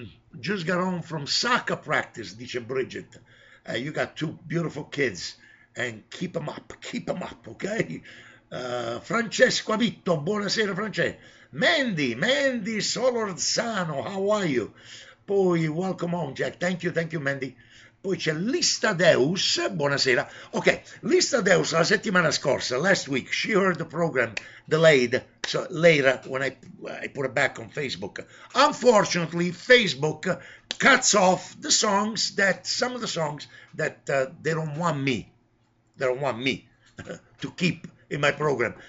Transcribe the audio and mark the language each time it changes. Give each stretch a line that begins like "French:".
English: Just got home from soccer practice,
Italian: dice
English: Bridget. You got two beautiful kids and keep them up, ok?
Italian: Francesco Avitto, buonasera Francesco.
English: Mandy, Mandy Solorzano, how are you? Poi, welcome on Jack, thank you Mandy.
Italian: Poi c'è Listadeus, buonasera.
English: Ok, Listadeus
Italian: la settimana scorsa,
English: last week, she heard the program delayed, so later when I put it back on Facebook. Unfortunately, Facebook cuts off the songs that, some of the songs that they don't want me, to keep in my program.